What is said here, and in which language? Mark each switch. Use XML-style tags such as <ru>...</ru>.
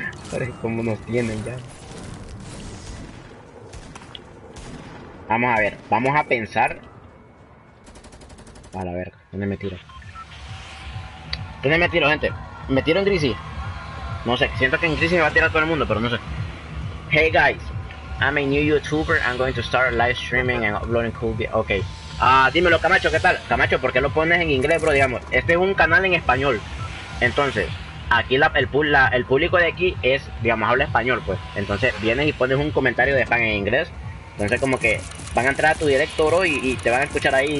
<es>Parece como nos tienen ya. Vamos a ver, vamos a pensar. A la verga, ¿dónde me tiro? ¿Dónde me tiro, gente? ¿Me tiro en Greasy? No sé, siento que en Greasy me va a tirar todo el mundo, pero no sé.</es> <en>Hey guys, I'm a new YouTuber, I'm going to start live streaming and uploading cool videos. Ok.</en> <es>Ah, dímelo, Camacho, ¿qué tal? Camacho, ¿por qué lo pones en inglés, bro? Digamos, este es un canal en español. Entonces, aquí el público de aquí es, digamos, habla español, pues. Entonces, vienes y pones un comentario de spam en inglés. Entonces, como que van a entrar a tu directo, bro, y te van a escuchar ahí.</es>